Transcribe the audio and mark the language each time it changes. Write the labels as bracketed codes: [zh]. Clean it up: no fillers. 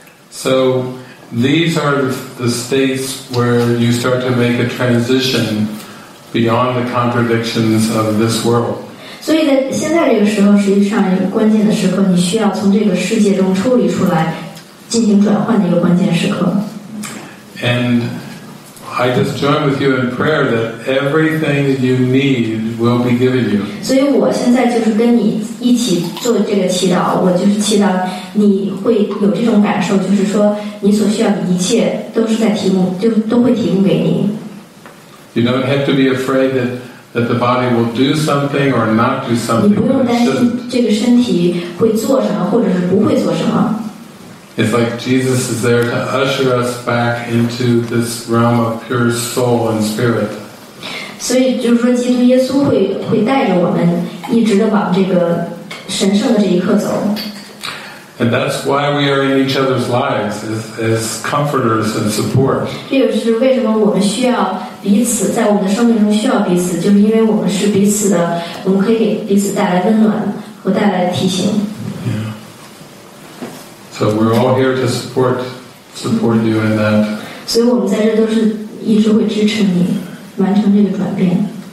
[en] So these are the states where you start to make a transition beyond the contradictions of this world. [zh] 所以在现在这个时候，实际上一个关键的时刻，你需要从这个世界中抽离出来，进行转换的一个关键时刻。 [en] And I just join with you in prayer that everything that you need will be given you. [zh] 所以我现在就是跟你一起做这个祈祷，我就是祈祷你会有这种感受，就是说你所需要的一切都是在提供，就都会提供给你。 [en] You don't have to be afraid that the body will do something or not do something. [zh] 你不用担心这个身体会做什么，或者是不会做什么。 [en] It's like Jesus is there to usher us back into this realm of pure soul and spirit. So, [zh] 就是说，基督耶稣会带着我们一直的往这个神圣的这一刻走。 [en] And that's why we are in each other's lives, as comforters and support. [zh] 这也是为什么我们需要彼此，在我们的生命中需要彼此，就是因为我们是彼此的，我们可以给彼此带来温暖和带来提醒。 [en] So we're all here to support you in that. [zh] 所以我们在这都是一直会支持你完成这个转变。